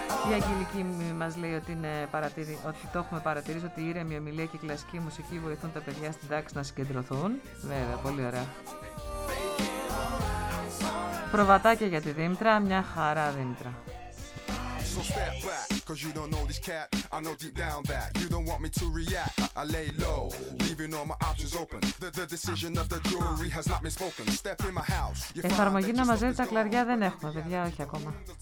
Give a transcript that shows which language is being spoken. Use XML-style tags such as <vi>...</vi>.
<el>Η Αγγελική μας λέει ότι το έχουμε παρατηρήσει ότι η ήρεμη ομιλία και η κλασική μουσική βοηθούν τα παιδιά στην τάξη να συγκεντρωθούν. Βέβαια, πολύ ωραία. Προβατάκια για τη Δήμητρα, μια χαρά Δήμητρα.</el> <en>So step back, 'cause you don't know this cat. I know deep down that you don't want me to react. I lay low, leaving all my options open. The decision of the jury has not been spoken. Step in my house.</en> <el>Εφαρμογή να μαζεύει τα κλαριά δεν έχουμε, παιδιά, όχι ακόμα.</el>